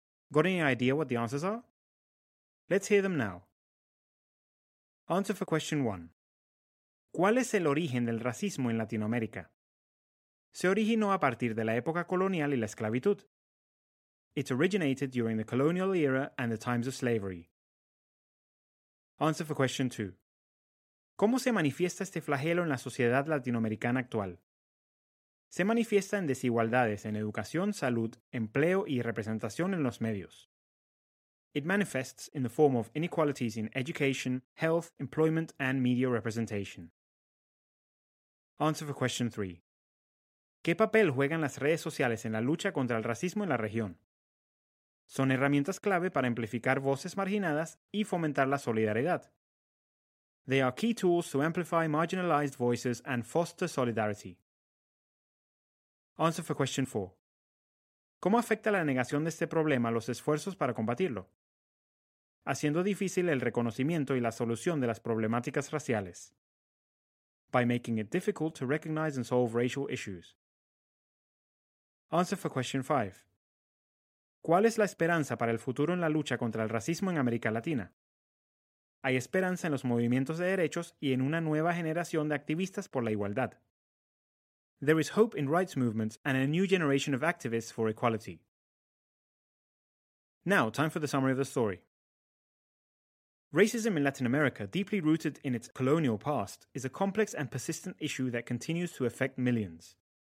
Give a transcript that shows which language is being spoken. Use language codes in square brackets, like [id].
[en] Got any idea what the answers are? Let's hear them now. Answer for question 1. [es] ¿Cuál es el origen del racismo en Latinoamérica? Se originó a partir de la época colonial y la esclavitud. [en] It originated during the colonial era and the times of slavery. Answer for question 2. [es] ¿Cómo se manifiesta este flagelo en la sociedad latinoamericana actual? Se manifiesta en desigualdades en educación, salud, empleo y representación en los medios. [en] It manifests in the form of inequalities in education, health, employment, and media representation. Answer for question 3. [es] ¿Qué papel juegan las redes sociales en la lucha contra el racismo en la región? Son herramientas clave para amplificar voces marginadas y fomentar la solidaridad. [en] They are key tools to amplify marginalized voices and foster solidarity. Answer for question 4. [es] ¿Cómo afecta la negación de este problema a los esfuerzos para combatirlo? Haciendo difícil el reconocimiento y la solución de las problemáticas raciales. [en] By making it difficult to recognize and solve racial issues. Answer for question 5. [es] ¿Cuál es la esperanza para el futuro en la lucha contra el racismo en América Latina? Hay esperanza en los movimientos de derechos y en una nueva generación de activistas por la igualdad. [en] There is hope in rights movements and a new generation of activists for equality. Now, time for the summary of the story. Racism in Latin America, deeply rooted in its colonial past, is a complex and persistent issue that continues to affect millions.